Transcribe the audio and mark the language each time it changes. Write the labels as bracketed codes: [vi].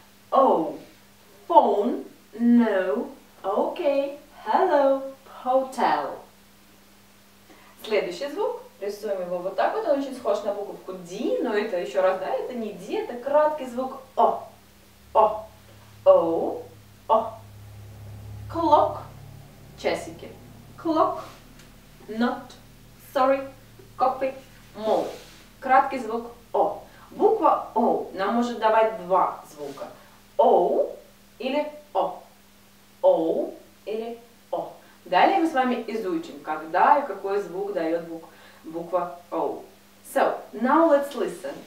[en] О. Phone. No. Okay. Hello. Hotel. [ru] Следующий звук, рисуем его вот так вот, он очень схож на буковку D, но это еще раз, да, это не D, это краткий звук о. О, о, о. Clock, часики. [en] Clock, not, sorry, copy, mall. [ru] Краткий звук о. Буква о нам может давать два звука. О или о. О или о. Далее мы с вами изучим, когда и какой звук дает буква о. [en] So, now let's listen.